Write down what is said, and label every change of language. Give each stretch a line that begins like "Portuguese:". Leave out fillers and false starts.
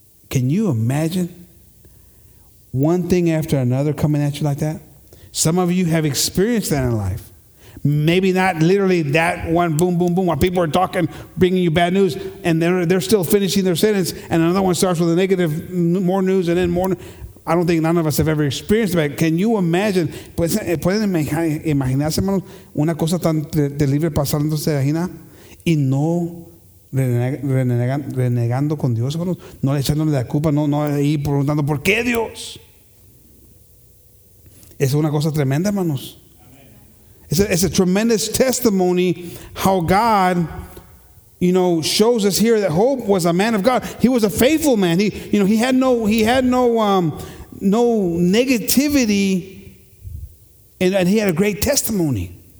English: Can you imagine one thing after another coming at you like that? Some of you have experienced that in life. Maybe not literally that one boom, boom, boom, while people are talking, bringing you bad news, and they're still finishing their sentence, and another one starts with a negative, more news, and then more. I don't think none of us have ever experienced that. Can you imagine?
Spanish: ¿Pueden imaginarse, hermanos, una cosa tan terrible pasándose de ajena y no renegando con Dios, hermanos? No echándole la culpa, no ahí preguntando, ¿por qué Dios? Es una cosa tremenda, hermanos.
English: It's a tremendous testimony how God, you know, shows us here that Job was a man of God. He was a faithful man. He had no negativity, and he had a great testimony.